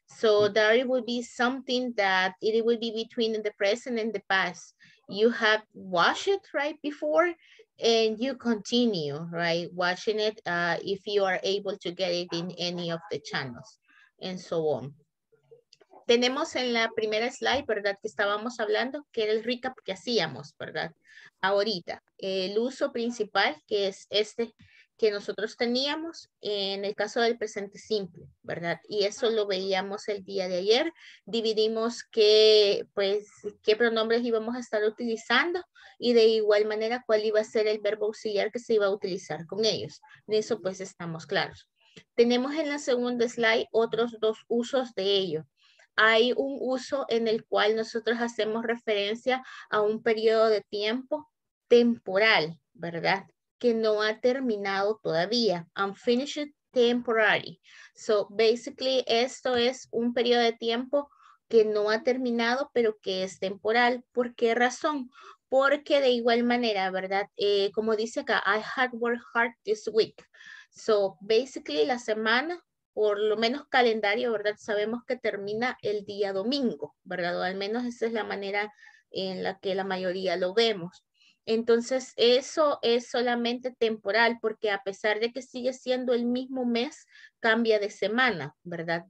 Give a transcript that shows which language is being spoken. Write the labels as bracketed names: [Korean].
[English] So there will be something that it will be between the present and the past. You have washed it right before and you continue, right? Washing it if you are able to get it in any of the channels and so on. [Spanish] Tenemos en la primera slide, ¿verdad? Que estábamos hablando, que era el recap que hacíamos, ¿verdad? Ahorita, el uso principal que es este que nosotros teníamos en el caso del presente simple, ¿verdad? Y eso lo veíamos el día de ayer. Dividimos qué, pues, qué pronombres íbamos a estar utilizando y de igual manera cuál iba a ser el verbo auxiliar que se iba a utilizar con ellos. En eso pues estamos claros. Tenemos en la segunda slide otros dos usos de ello. Hay un uso en el cual nosotros hacemos referencia a un periodo de tiempo temporal, ¿verdad? Que no ha terminado todavía. [English] Unfinished temporary. So basically [Spanish] esto es un periodo de tiempo que no ha terminado, pero que es temporal. ¿Por qué razón? Porque de igual manera, ¿verdad? Como dice acá, [English] I had worked hard this week. So basically [Spanish] la semana, por lo menos calendario, ¿verdad? Sabemos que termina el día domingo, ¿verdad? O al menos esa es la manera en la que la mayoría lo vemos. Entonces eso es solamente temporal porque a pesar de que sigue siendo el mismo mes, cambia de semana, ¿verdad?